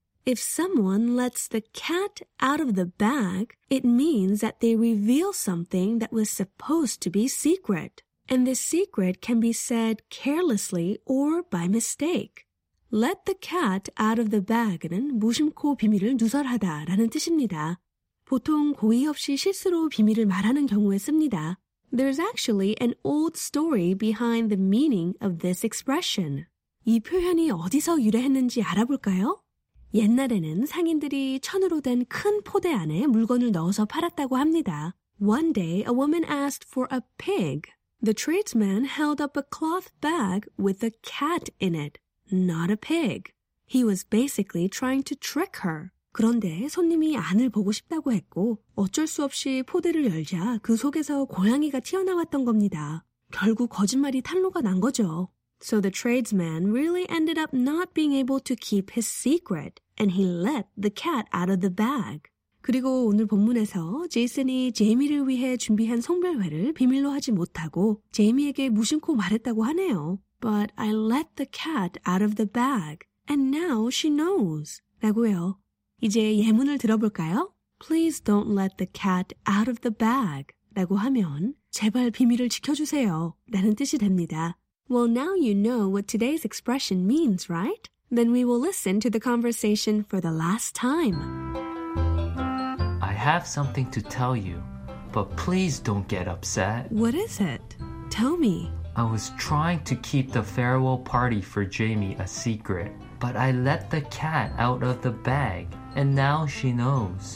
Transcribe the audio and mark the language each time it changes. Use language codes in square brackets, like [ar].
[en] If someone lets the cat out of the bag, it means that they reveal something that was supposed to be secret. And this secret can be said carelessly or by mistake. Let the cat out of the bag [ko] 는 무심코 비밀을 누설하다라는 뜻입니다. 보통 고의 없이 실수로 비밀을 말하는 경우에 씁니다. [en] There's actually an old story behind the meaning of this expression. [ko] 이 표현이 어디서 유래했는지 알아볼까요? 옛날에는 상인들이 천으로 된 큰 포대 안에 물건을 넣어서 팔았다고 합니다. [en] One day, a woman asked for a pig. The tradesman held up a cloth bag with a cat in it, not a pig. He was basically trying to trick her. [ko] 그런데 손님이 안을 보고 싶다고 했고 어쩔 수 없이 포대를 열자 그 속에서 고양이가 튀어나왔던 겁니다. 결국 거짓말이 탄로가 난 거죠. [en] So the tradesman really ended up not being able to keep his secret, and he let the cat out of the bag. [ko] 그리고 오늘 본문에서 제이슨이 제이미를 위해 준비한 송별회를 비밀로 하지 못하고 제이미에게 무심코 말했다고 하네요. [en] But I let the cat out of the bag, and now she knows. [ko] 라고요. 이제 예문을 들어볼까요? [en] Please don't let the cat out of the bag. [ko] 라고 하면 제발 비밀을 지켜주세요. 라는 뜻이 됩니다. [en] Well, now you know what today's expression means, right? Then we will listen to the conversation for the last time. I have something to tell you, but please don't get upset. What is it? Tell me. I was trying to keep the farewell party for Jamie a secret, but I let the cat out of the bag, and now she knows.